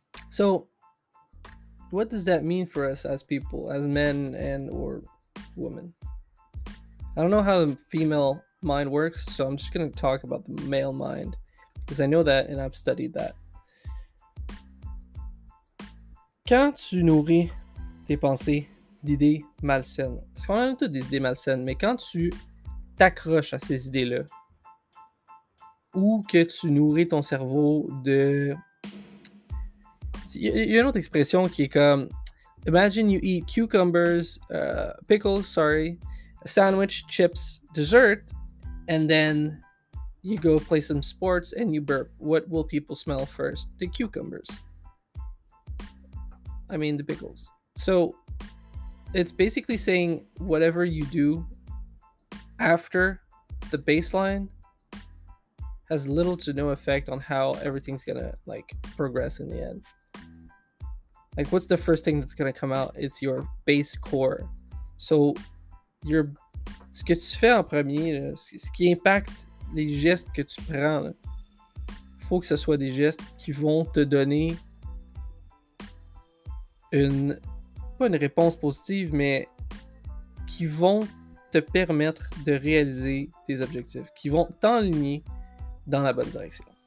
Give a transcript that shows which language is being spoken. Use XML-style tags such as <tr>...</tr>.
<en>So, what does that mean for us as people, as men and or women? I don't know how the female mind works, so I'm just going to talk about the male mind, because I know that and I've studied that.</en> <fr>Quand tu nourris tes pensées d'idées malsaines, parce qu'on a toutes des idées malsaines, mais quand tu t'accroches à ces idées-là, ou que tu nourris ton cerveau de... Il y a une autre expression qui est comme...</fr> <en>Imagine you eat pickles, sandwich, chips, dessert, and then you go play some sports and you burp. What will people smell first? The cucumbers. I mean, the pickles. So, it's basically saying whatever you do after the baseline has little to no effect on how everything's gonna like progress in the end. Like, what's the first thing that's gonna come out? It's your base core. So your</en> <fr>ce que tu fais en premier, ce qui impacte les gestes que tu prends, là, faut que ce soit des gestes qui vont te donner une, pas une réponse positive, mais qui vont te permettre de réaliser tes objectifs, qui vont t'enligner dans la bonne direction.</fr>